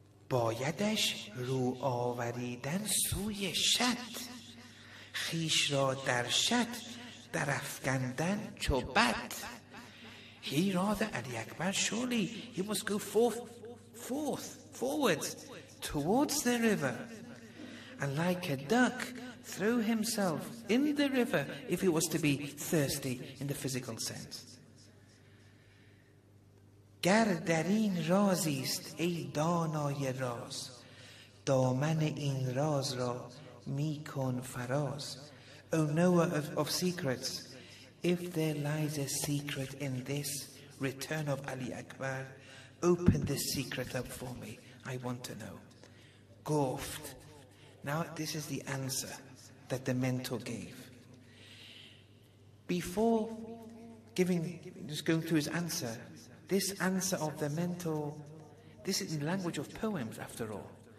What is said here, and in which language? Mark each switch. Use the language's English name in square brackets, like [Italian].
[Persian] بایدش رو آوریدن سوی شط خیش را در شط در افکندن چوبت. [English] He rather, Ali Akbar, surely he must go forward towards the river, and like a duck throw himself in the river if he was to be thirsty in the physical sense. [Persian] گر در این رازی است ای دانای راز دامن این راز را میکن فراز. [English] O knower of secrets, if there lies a secret in this return of Ali Akbar, open this secret up for me, I want to know. [Persian] گفت. [English] Now this is the answer that the mentor gave. Before giving, just going to his answer, this answer of the mentor, this is in the language of poems after all.